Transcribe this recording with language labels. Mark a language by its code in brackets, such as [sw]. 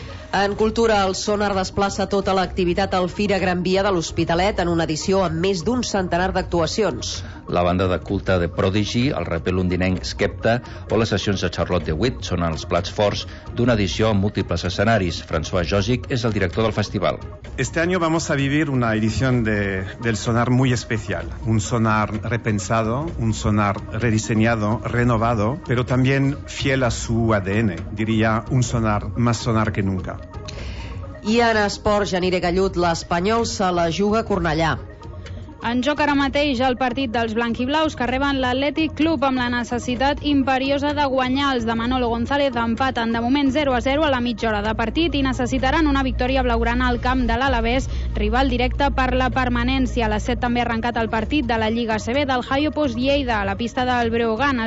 [ca] En cultura, el Sónar desplaça tota l'activitat al Fira Gran Via de l'Hospitalet en una edició amb més d'un centenar d'actuacions. La banda de culte de Prodigy, el raper londinenc Skepta o les sessions de Charlotte DeWitt són els plats forts d'una edició amb múltiples escenaris. François Jogic és el director del festival. [es] Este año vamos a vivir una edición del Sónar muy especial. Un Sónar repensado, un Sónar rediseñado, renovado, pero también fiel a su ADN. Diría un Sónar más Sónar que nunca. [ca] I en esport, Janire Gallut, l'Espanyol se la juga a Cornellà. En joc ara mateix el partit dels blanquiblaus que reben l'Atlètic Club amb la necessitat imperiosa de guanyar. Els de Manolo González empaten de moment 0-0 a la mitja hora de partit i necessitaran una victòria blaugrana al camp de l'Alavés, rival directe per la permanència. A les 7 també ha arrencat el partit de la Lliga ACB del Hajopos Lleida a la pista del Breogán.